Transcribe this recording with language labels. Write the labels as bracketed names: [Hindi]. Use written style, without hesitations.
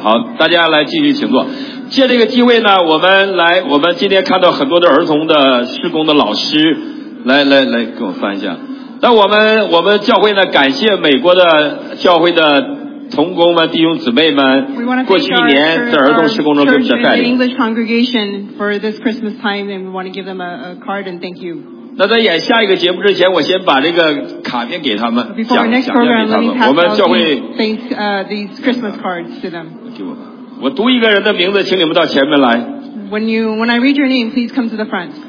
[Chinese] 好，大家来继续请坐。借这个机会呢，我们来，我们今天看到很多的儿童的施工的老师，来，给我翻一下。那我们教会呢，感谢美国的教会的。同工们、弟兄姊妹们，过去一年在儿童施工中给我们的带领。 [English] English congregation for this Christmas time, and we want to give them a card and thank you. [Chinese] 那在演下一个节目之前，我先把这个卡片给他们。 [English] Before our next program, let me pass out these Christmas cards to them. [Chinese] 我读一个人的名字，请你们到前面来。 [English] When I read your name, please come to the front.